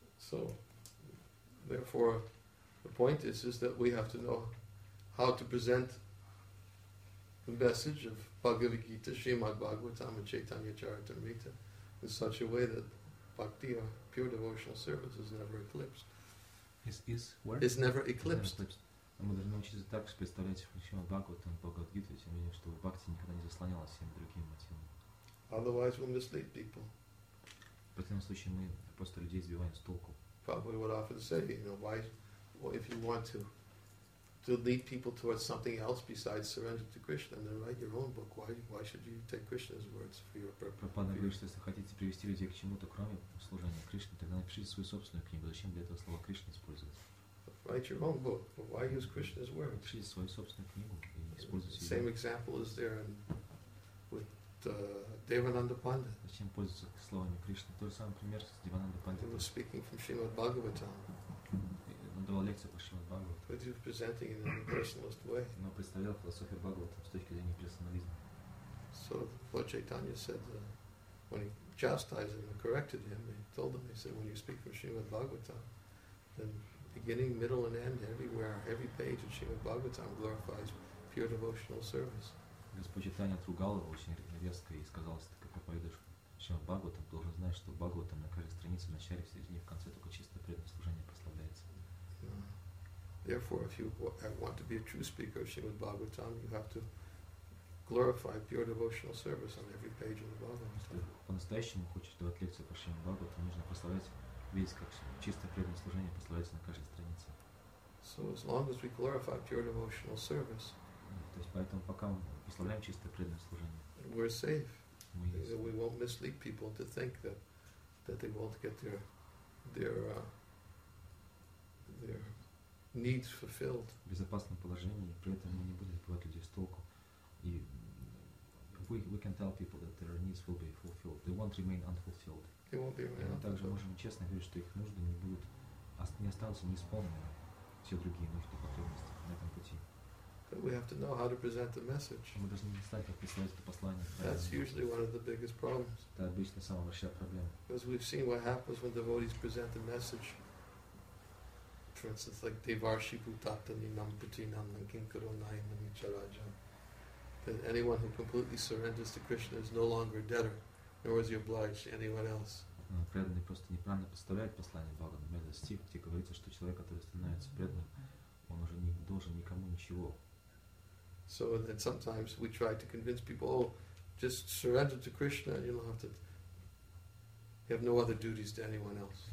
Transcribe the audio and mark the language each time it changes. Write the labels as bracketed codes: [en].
[en] So, therefore, the point is that we have to know how to present the message of Bhagavad Gita, Srimad Bhagavatam, and Chaitanya Charitamrita in such a way that bhakti, or pure devotional service, is never eclipsed. Is where? Is never eclipsed. [ru] Мы должны учиться так представлять Шримад Бхагаватам, Бхагавад Гиту, тем не менее, чтобы бхакти никогда не заслонялась всем другим мотивам. [en] Otherwise, we'll mislead people. [ru] В противном случае мы просто людей сбиваем с толку. [en] Probably would often say, you know, why? Well, if you want to lead people towards something else besides surrender to Krishna, then write your own book. Why should you take Krishna's words for your purpose? [ru] Пропада говорит, что если хотите привести людей к чему-то кроме служения Кришне, тогда напишите свою собственную книгу. Зачем для этого слова Кришна использовать? [en] Write your own book. But why use Krishna's words? [ru] Напишите свою собственную книгу и используйте. [en] Same example is there with Devananda Pandit. [ru] Зачем пользоваться словами Кришны? Тот же самый пример с Девананда Пандитом. [en] He was speaking from Srimad Bhagavatam. [ru] Он давал лекцию по Шримад Бхагаватам, но представлял философию Бхагаватам с точки зрения персонализма. [en] So Lord Chaitanya said when he chastised him and corrected him, he told him, he said, when you speak from Srimad Bhagavatam, then beginning, middle and end, everywhere, every page of Srimad Bhagavatam glorifies pure devotional service. [ru] Господь Чайтанья отругал его очень резко и сказал, что ты как проповедуешь Шримад Бхагаватам, должен знать, что Бхагаватам на каждой странице, в начале, в середине, в конце только чистое преданное служение прославляется. [en] Therefore, if you want to be a true speaker of Srimad Bhagavatam, you have to glorify pure devotional service on every page of the Bhagavatam. [ru] По-настоящему хочешь давать лекцию по Шримад Бхагаватам, нужно прославлять весь как чистое преданное служение прославляется на каждой странице. [en] So as long as we glorify pure devotional service, [ru] то есть поэтому пока мы прославляем чистое преданное служение, [en] we're safe. We won't mislead people to think that they won't get their needs fulfilled. [ru] В безопасном положении, при этом мы не будем сбивать людей с толку. И [en] we can tell people that their needs will be fulfilled. They won't remain unfulfilled. They won't be unfulfilled. [ru] И мы также можем честно говорить, что их нужды не будут, не останутся неисполненными. Все другие нужды, потребности на этом пути. [en] But we have to know how to present the message. [ru] Мы должны знать, как представить это послание. [en] That's usually one of the biggest problems. [ru] Это обычно самая большая проблема. [en] Because we've seen what happens when devotees present the message. For instance, like [sa] Devarshi Bhutata Ninam Bhutinam Nankinkaro Naim Nicharaja. [en] That anyone who completely surrenders to Krishna is no longer a debtor, nor is he obliged to anyone else. [ru] Преданный просто неправильно представляет послание Бога. Например, стих, где говорится, что человек, который становится преданным, он уже не должен никому ничего. [en] So then sometimes we try to convince people, oh, just surrender to Krishna and you'll have to. You have no other duties to anyone else.